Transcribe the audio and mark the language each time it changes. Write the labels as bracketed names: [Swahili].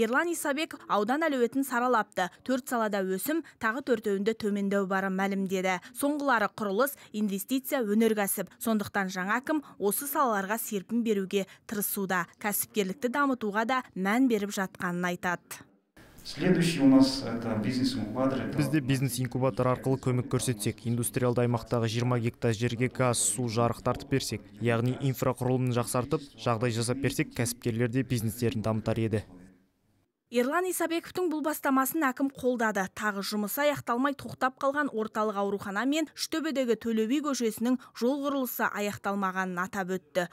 [Kazakh] Ерлан Исабек аудан әлеуетін саралапты. 4 салада өсім, тағы 4-өнде төмендеу барын мәлімдеді. Соңғылары құрылыс, инвестиция, өнеркәсіп. Сондықтан жаңа әкім осы салаларға серпін беруге тырысуда. Кәсіпкерлікті дамытуға да мән беріп жатқанын айтады. [Russian] Следующий у нас это бизнес-инкубатор. [Kazakh] Бізде бизнес-инкубатор арқылы көмек көрсетсек, индустриалды аймақтағы 20 гектар жерге газ, су, жарық тартып берсек, яғни инфрақұрылымын жақсартып, жағдай жасап берсек, кәсіпкерлер де бизнестерін дамытар еді. Ерлан Исабековтің бұл бастамасын әкім қолдады. Тағы жұмысы аяқталмай тоқтап қалған орталық аурухана мен Үштөбедегі Төлеби көшесінің жол құрылысы аяқталмағанын атап өтті.